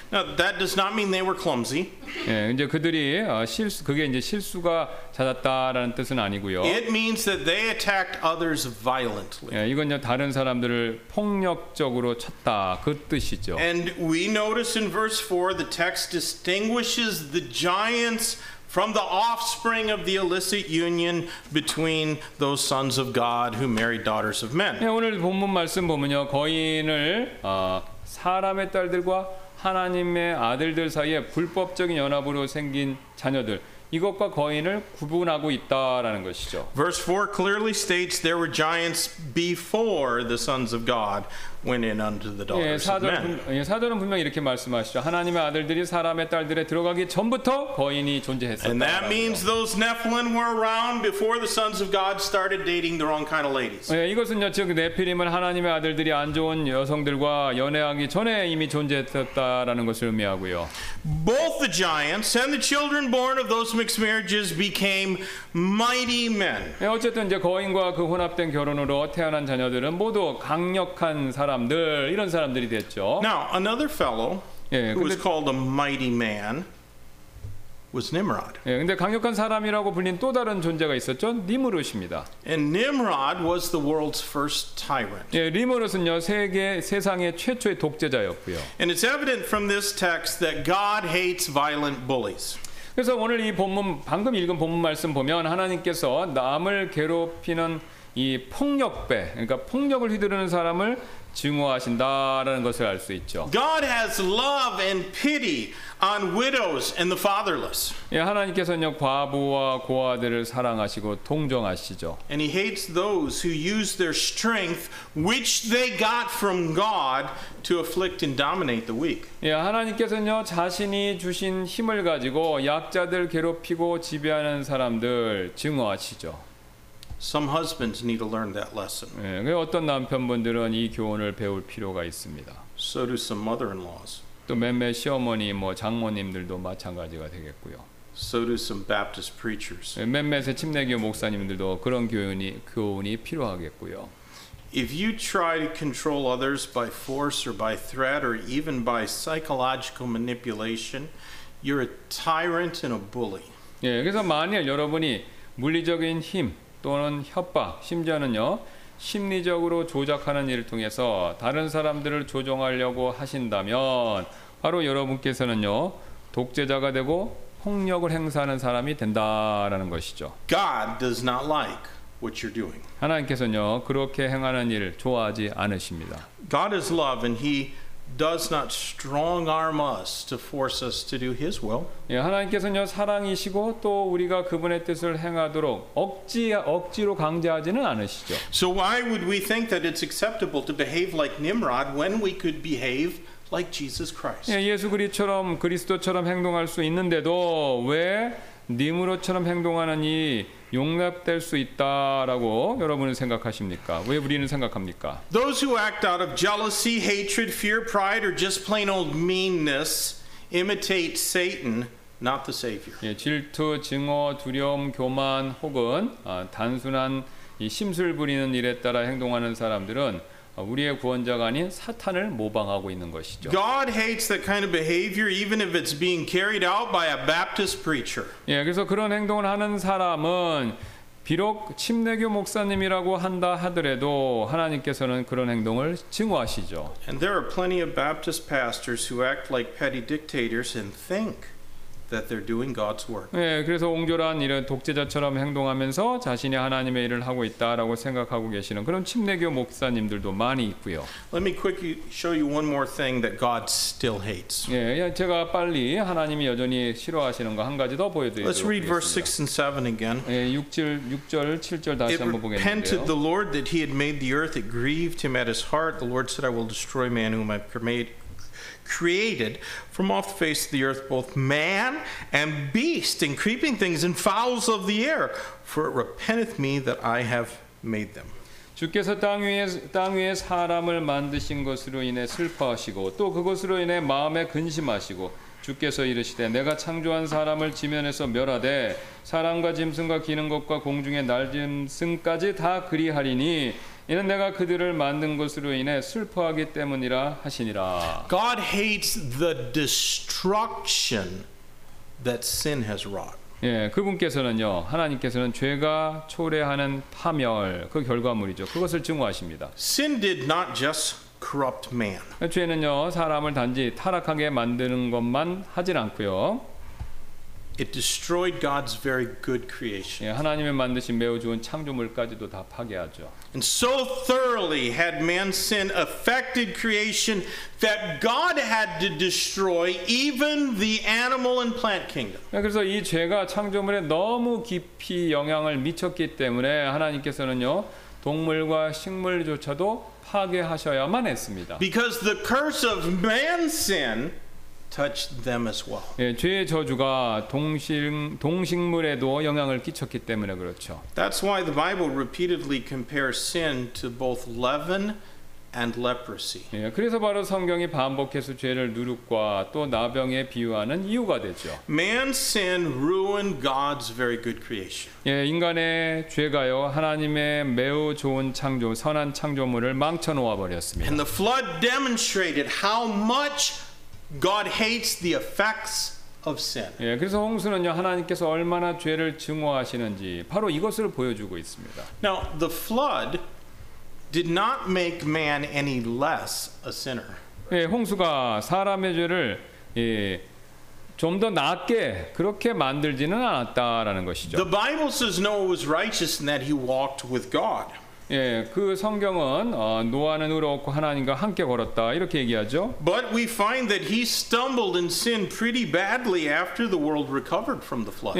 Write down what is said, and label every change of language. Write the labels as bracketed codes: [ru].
[en] Now, that does not mean they were clumsy. [ko] 예, 이제 그들이 실수 그게 이제 실수가 잦았다라는 뜻은 아니고요. [en] It means that they attacked others violently. [ko] 예, 이건 이제 다른 사람들을 폭력적으로 쳤다. 그 뜻이죠. [en] And we notice in verse 4 the text distinguishes the giants from the offspring of the illicit union between those sons of God who married daughters of men. [ko] 예, 오늘 본문 말씀 보면요, 거인을 사람의 딸들과 하나님의 아들들 사이에 불법적인 연합으로 생긴 자녀들 이것과 거인을 구분하고 있다라는 것이죠. [en] Verse 4 clearly states there were giants before the sons of God went in unto the daughters [ko] 예, 사도는, [en] of men. [ko] 예, 사도는 분명 이렇게 말씀하시죠. 하나님의 아들들이 사람의 딸들에 들어가기 전부터 거인이 존재했었다. [en] And that means those Nephilim were around before the sons of God started dating the wrong kind of ladies. [ko] 예, 이것은요, 즉 네피림은 하나님의 아들들이 안 좋은 여성들과 연애하기 전에 이미 존재했었다라는 것을 의미하고요. [en] Both the giants and the children born of those mixed marriages became mighty men. [ko] 예, 어쨌든 이제 거인과 그 혼합된 결혼으로 태어난 자녀들은 모두 강력한 사람들 이런 사람들이 됐죠. [en] Now another fellow [ko] 예, 근데, [en] who was called a mighty man was Nimrod. [ko] 예, 근데 강력한 사람이라고 불린 또 다른 존재가 있었죠. 니므롯입니다. [en] And Nimrod was the world's first tyrant. [ko] 예, 니므롯은요 세상의 최초의 독재자였고요. [en] And it's evident from this text that God hates violent bullies. [ko] 그래서 오늘 이 본문 방금 읽은 본문 말씀 보면 하나님께서 남을 괴롭히는 이 폭력배, 그러니까 폭력을 휘두르는 사람을 증오하신다라는 것을 알 수 있죠. [en] God has love and pity on widows and the fatherless. [ko] 예, 하나님께서는요 과부와 고아들을 사랑하시고 동정하시죠. [en] And he hates those who use their strength which they got from God to afflict and dominate the weak. [ko] 예, 하나님께서는요 자신이 주신 힘을 가지고 약자들 괴롭히고 지배하는 사람들 증오하시죠. [en] Some husbands need to learn that lesson. [ko] 예, 어떤 남편분들은 이 교훈을 배울 필요가 있습니다. [en] So do some mother-in-laws. [ko] 또 몇몇 시어머니, 뭐 장모님들도 마찬가지가 되겠고요. [en] So do some Baptist preachers. [ko] 예, 몇몇의 침례교 목사님들도 그런 교훈이 필요하겠고요. [en] If you try to control others by force or by threat or even by psychological manipulation, you're a tyrant and a bully. [ko] 예, 그래서 만일 여러분이 물리적인 힘 또는 협박, 심지어는요 심리적으로 조작하는 일을 통해서 다른 사람들을 조종하려고 하신다면 바로 여러분께서는요 독재자가 되고 폭력을 행사하는 사람이 된다라는 것이죠. [en] God does not like what you're doing. [ko] 하나님께서는요 그렇게 행하는 일을 좋아하지 않으십니다. [en] God is love, and He does not strong arm us to force us to do His will. [ko] 예, 하나님께서는요 사랑이시고 또 우리가 그분의 뜻을 행하도록 억지로 강제하지는 않으시죠. [en] So why would we think that it's acceptable to behave like Nimrod when we could behave like Jesus Christ? [ko] 예, 예수 그리스도처럼 행동할 수 있는데도 왜 니므롯처럼 행동하느니 용납될 수 있다라고 여러분은 생각하십니까? 왜 우리는 생각합니까? [en] Those who act out of jealousy, hatred, fear, pride, or just plain old meanness imitate Satan, not the Savior. [ko] 예, 질투, 증오, 두려움, 교만, 혹은 단순한 이 심술 부리는 일에 따라 행동하는 사람들은 우리의 구원자가 아닌 사탄을 모방하고 있는 것이죠. [en] God hates that kind of behavior even if it's being carried out by a Baptist preacher. [ko] 예, 그래서 그런 행동을 하는 사람은 비록 침례교 목사님이라고 한다 하더라도 하나님께서는 그런 행동을 증오하시죠. [en] And there are plenty of Baptist pastors who act like petty dictators and think that they're doing God's work. [ko] 예, 그래서 옹졸한 이런 독재자처럼 행동하면서 자신이 하나님의 일을 하고 있다라고 생각하고 계시는 그런 침례교 목사님들도 많이 있고요. [en] Let me quickly show you one more thing that God still hates. [ko] 예, 제가 빨리 하나님이 여전히 싫어하시는 거 한 가지 더 보여드리겠습니다. [en] Let's read verse 6 and 7 again. [ko] 예, 6절 7절 다시 한번 보겠습니다. [en] It repented the Lord that he had made the earth. It grieved him at his heart. The Lord said, I will destroy man whom I've made. Created from off the face of the earth both man and beast and creeping things and fowls of the air for it repenteth me that I have made them. [ko] 주께서 땅 위에 사람을 만드신 것으로 인해 슬퍼하시고 또 그것으로 인해 마음에 근심하시고 주께서 이르시되 내가 창조한 사람을 지면에서 멸하되 사람과 짐승과 기는 것과 공중의 날짐승까지 다 그리하리니 이는 내가 그들을 만든 것으로 인해 슬퍼하기 때문이라 하시니라. [en] God hates the destruction that sin has wrought. [ko] 예, 그분께서는요, 하나님께서는 죄가 초래하는 파멸, 그 결과물이죠. 그것을 증오하십니다. [en] Sin did not just corrupt man. [ko] 죄는요, 사람을 단지 타락하게 만드는 것만 하진 않고요. [en] It destroyed God's very good creation. [ko] 예, 하나님의 만드신 매우 좋은 창조물까지도 다 파괴하죠. [en] And so thoroughly had man's sin affected creation that God had to destroy even the animal and plant kingdom. [ko] 예, 그래서 이 죄가 창조물에 너무 깊이 영향을 미쳤기 때문에 하나님께서는요 동물과 식물조차도 파괴하셔야만 했습니다. [en] Because the curse of man's sin. Touch them as well. [ko] 예, 죄의 저주가 동식물에도 영향을 끼쳤기 때문에 그렇죠. [en] That's why the Bible repeatedly compares sin to both leaven and leprosy. [ko] 예, 그래서 바로 성경이 반복해서 죄를 누룩과 또 나병에 비유하는 이유가 되죠. [en] Man's sin ruined God's very good creation. [ko] 예, 인간의 죄가요 하나님의 매우 좋은 창조, 선한 창조물을 망쳐 놓아 버렸습니다. [en] And the flood demonstrated how much God hates the effects of sin. [ko] 예, 그래서 홍수는요 하나님께서 얼마나 죄를 증오하시는지 바로 이것을 보여주고 있습니다. [en] Now the flood did not make man any less a sinner. [ko] 예, 홍수가 사람의 죄를 예, 좀 더 낮게 그렇게 만들지는 않았다라는 것이죠. [en] The Bible says Noah was righteous and that he walked with God. [ko] 예, 그 성경은 노아는 의롭고 하나님과 함께 걸었다 이렇게 얘기하죠. [en] But we find that he stumbled in sin pretty badly after the world recovered from the flood.